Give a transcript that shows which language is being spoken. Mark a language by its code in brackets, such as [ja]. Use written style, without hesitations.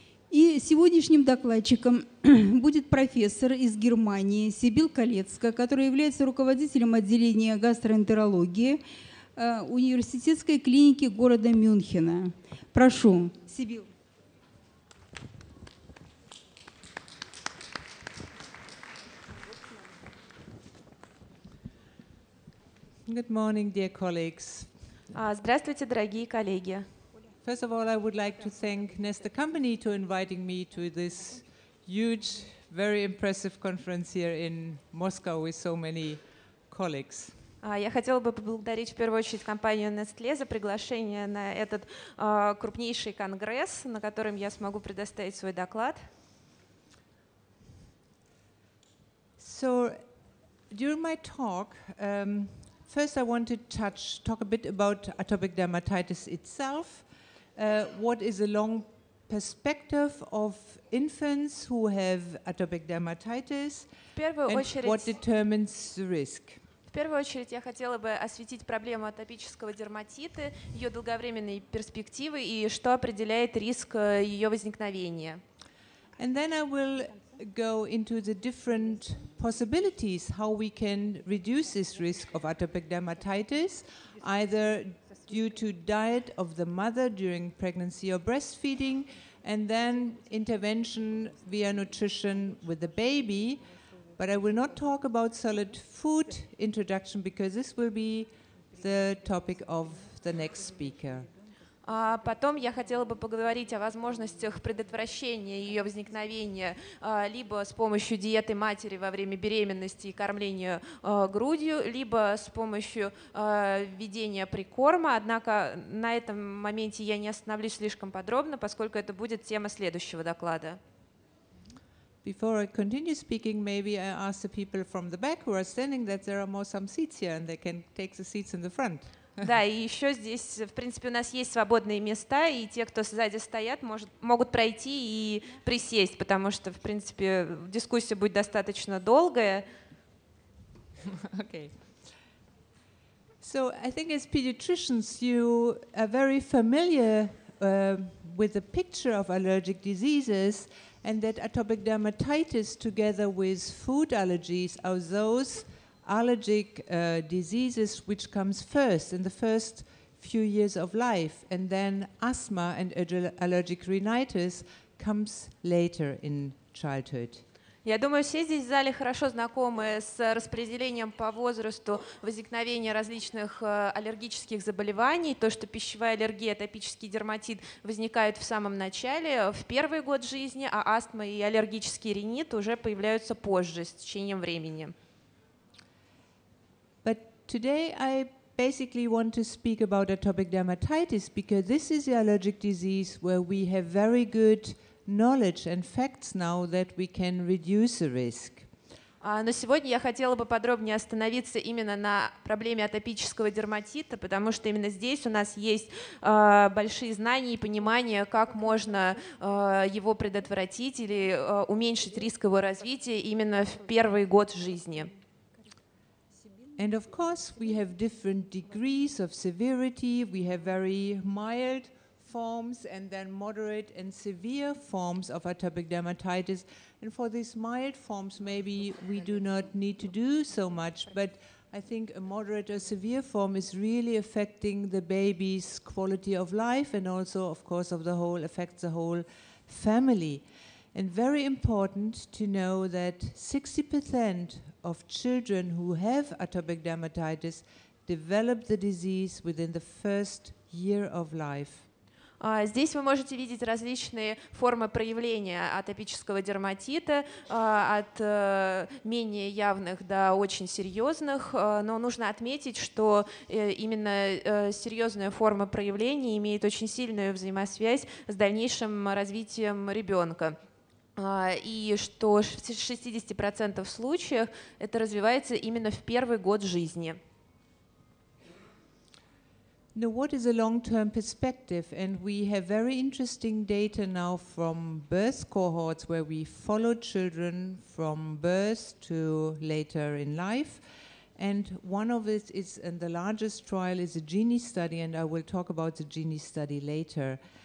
[ru] И сегодняшним докладчиком будет профессор из Германии Сибил Калецка, которая является руководителем отделения гастроэнтерологии университетской клиники города Мюнхена. Прошу, Сибил. [en] Good morning, dear colleagues. [ru] Здравствуйте, дорогие коллеги. [en] First of all, I would like to thank Nestor Company to inviting me to this huge, very impressive conference here in Moscow with so many colleagues. [ru] Я хотела бы поблагодарить в первую очередь компанию Nestlé за приглашение на этот крупнейший конгресс, на котором я смогу предоставить свой доклад. [en] So, during my talk, first, I want to talk a bit about atopic dermatitis itself. What is the long perspective of infants who have atopic dermatitis? And what determines the risk? [ru] В первую очередь я хотела бы осветить проблему атопического дерматита, ее долговременные перспективы и что определяет риск ее возникновения. [en] And then I will go into the different possibilities how we can reduce this risk of atopic dermatitis, either due to diet of the mother during pregnancy or breastfeeding, and then intervention via nutrition with the baby. But I will not talk about solid food introduction because this will be the topic of the next speaker. [ru] Потом я хотела бы поговорить о возможностях предотвращения ее возникновения либо с помощью диеты матери во время беременности и кормления грудью, либо с помощью введения прикорма. Однако на этом моменте я не остановлюсь слишком подробно, поскольку это будет тема следующего доклада. [en] Before I continue speaking, maybe I ask the people from the back who are standing that there are more some seats here and they can take the seats in the front. [ru] Да, и еще здесь, в принципе, у нас есть свободные места, и те, кто сзади стоят, могут пройти и присесть, потому что, в принципе, дискуссия будет достаточно долгая. [en] Okay. So I think as pediatricians you are very familiar with the picture of allergic diseases, and that atopic dermatitis together with food allergies are those allergic diseases which comes first in the first few years of life, and then asthma and allergic rhinitis comes later in childhood. [ru] Я думаю, все здесь в зале хорошо знакомы с распределением по возрасту возникновения различных аллергических заболеваний. То, что пищевая аллергия, атопический дерматит возникают в самом начале, в первый год жизни, а астма и аллергический ринит уже появляются позже, с течением времени. [en] Today I basically want to speak about atopic dermatitis because this is the allergic disease where we have very good knowledge and facts now that we can reduce the risk. [ru] Но сегодня я хотела бы подробнее остановиться именно на проблеме атопического дерматита, потому что именно здесь у нас есть большие знания и понимание, как можно его предотвратить или уменьшить риск его развития именно в первый год жизни. [en] And of course, we have different degrees of severity. We have very mild forms and then moderate and severe forms of atopic dermatitis. And for these mild forms, maybe we do not need to do so much, but I think a moderate or severe form is really affecting the baby's quality of life and also, of course, of the whole affects the whole family. And very important to know that 60% of children who have atopic dermatitis develop the disease within the first year of life. [ru] Здесь вы можете видеть различные формы проявления атопического дерматита, от менее явных до очень серьезных, но нужно отметить, что именно серьезная форма проявления имеет очень сильную взаимосвязь с дальнейшим развитием ребенка. И что в 60% случаев это развивается именно в первый год жизни. [en] Now, what is a long-term perspective? And we have very interesting data now from birth cohorts where we follow children from birth to later in life. And one of it is, and the largest trial is a GINI study, and I will talk about the GINI study later.